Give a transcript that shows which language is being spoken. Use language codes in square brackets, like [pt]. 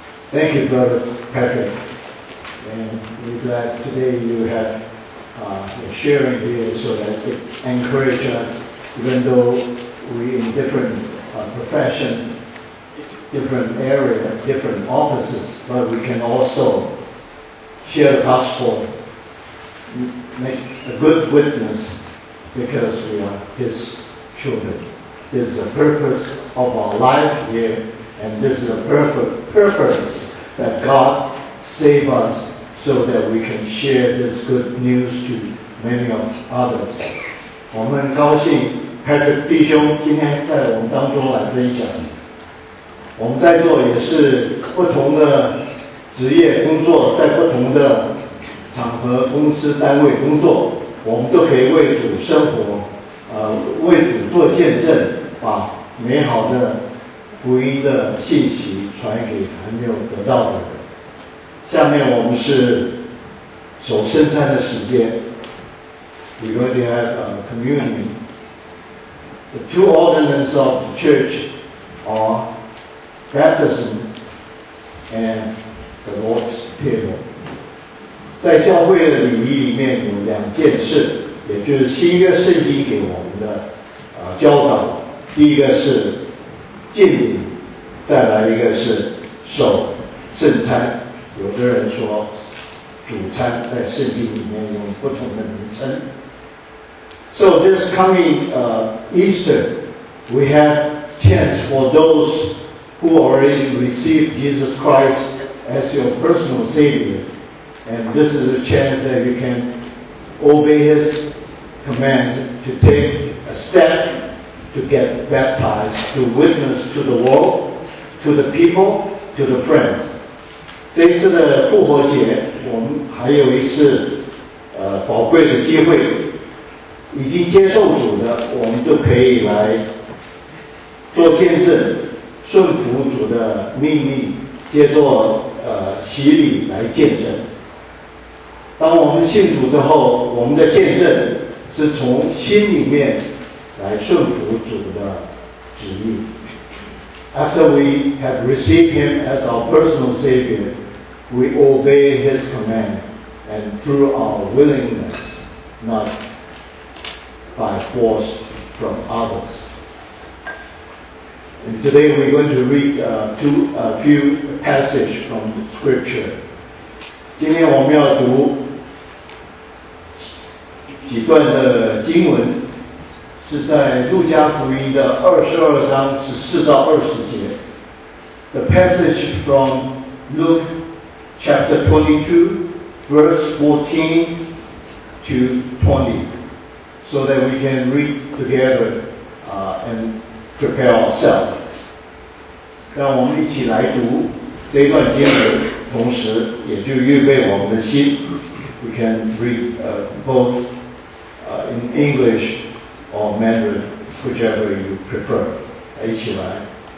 [en] Thank you, Brother Patrick, and we're glad today you have sharing here so that it encourages us, even though we're in different profession, different area, different offices, but we can also share the gospel, make a good witness, because we are His children. This is the purpose of our life here, and this is the perfect purpose that God save us so that we can share this good news to many of others. [zh] 我们很高兴 Patrick 弟兄今天在我们当中来分享。我们在座也是不同的职业工作，在不同的场合、公司、单位工作，我们都可以为主生活，为主做见证，把美好的 福音的信息传给还没有得到的人。下面我们是 [en] So, [zh] 圣餐的时间, [en] we're going to have communion. The two ordinances of the church are baptism and the Lord's table. [zh] 在教会的礼仪里面有两件事，也就是新约圣经给我们的教导。第一个是敬礼，再来一个是守圣餐。有的人说主餐，在圣经里面用不同的名称。 [en] So this coming Easter, we have chance for those who already received Jesus Christ as your personal Savior, and this is a chance that you can obey His commands to take a step to get baptized, to witness to the world, to the people, to the friends. [zh] 这一次的复活节，我们还有一次宝贵的机会。已经接受主的，我们都可以来做见证，顺服主的命令，接受洗礼来见证。当我们信主之后，我们的见证是从心里面来顺服主的旨意。 [en] After we have received Him as our personal Savior, we obey His command, and through our willingness, not by force from others. And today we're going to read a few passages from the Scripture. [zh] 今天我们要读几段的经文，是在路加福音的22章14到20节。 [en] The passage from Luke chapter 22 verse 14 to 20, so that we can read together and prepare ourselves. [zh] 让我们一起来读这一段经文，同时也就预备我们的心。 [en] We can read both in English or Mandarin, whichever you prefer. [zh] 来，一起来。